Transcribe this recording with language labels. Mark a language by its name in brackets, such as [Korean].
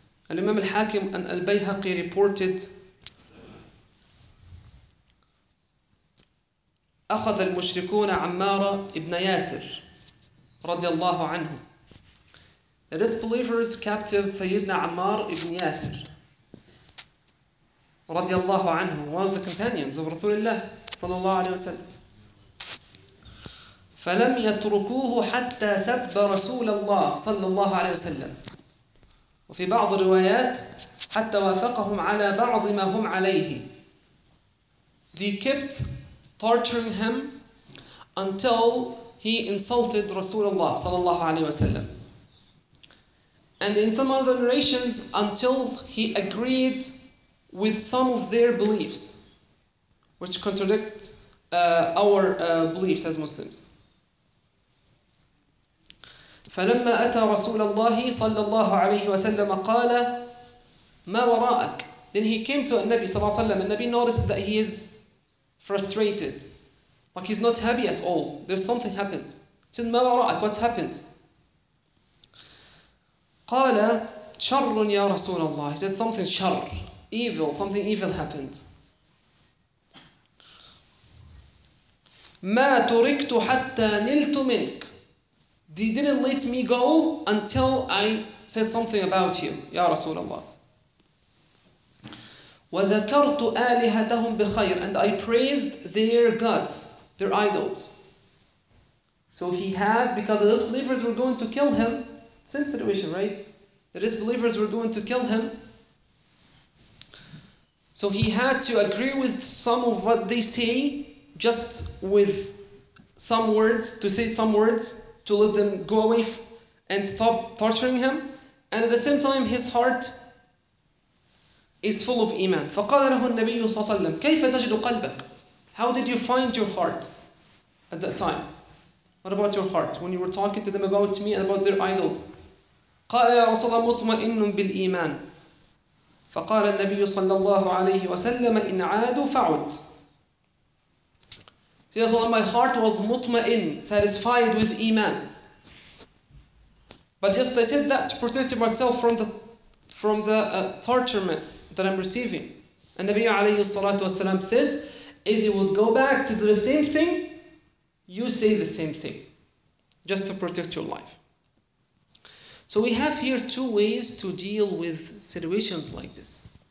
[English] Al-Imam al-Hakim and al-Bayhaqi reported [Arabic] أخذ المشركون عمارة ابن ياسر رضي الله عنه. [English] The disbelievers captured Sayyidina Ammar ibn Yasir رضي الله عنه, one of the companions of Rasulullah صلى الله عليه وسلم. [Arabic] فلم يتركوه حتى سب رسول الله صلى الله عليه وسلم. وفي بعض الروايات حتى وافقهم على بعض ما هم عليه. [English] They kept torturing him until he insulted Rasulullah sallallahu alayhi wasallam. And in some other narrations, until he agreed with some of their beliefs, which contradict our beliefs as Muslims. [Arabic] فلما أتى رسول الله صلى الله عليه وسلم قال ما وراءك. [English] Then he came to النبي صلى الله عليه وسلم. النبي noticed that he is frustrated, like he's not happy at all. There's something happened. Said [Arabic] ما وراءك, [English] what happened? [Arabic] قال شر يا رسول الله. [English] He said something شر, evil, something evil happened. [Arabic] ما تركت حتى نلت منك. [English] They didn't let me go until I said something about you, Ya Rasulullah. [Arabic] وَذَكَرْتُ آلِهَتَهُمْ بِخَيْرٍ [English] And I praised their gods, their idols. So he had, because the disbelievers were going to kill him, same situation, right? The disbelievers were going to kill him. So he had to agree with some of what they say, just with some words, to say some words, to let them go away and stop torturing him. And at the same time, his heart is full of iman. [Arabic] فَقَالَ لَهُ النَّبِيُّ صَلَّى اللَّهُ عَلَيْهِ وَسَلَّمَ كَيْفَ تَجِدُ قَلْبَكَ [English] How did you find your heart at that time? What about your heart when you were talking to them about me and about their idols? [Arabic] قَالَ يَا رَسُولَ اللَّهُ مُطْمَئِنٌ بِالْإِيمَانِ فَقَالَ النَّبِيُّ صَلَّى اللَّهُ عَلَيْهِ وَسَلَّمَ إِنْ عَادُوا فَعُدْ [English] See, so my heart was mutma'in, satisfied with iman. But just I said that to protect myself from the torturement that I'm receiving. And Nabi alayhi salatu wasalam said, if you would go back to do the same thing, you say the same thing. just to protect your life. So we have here two ways to deal with situations like this.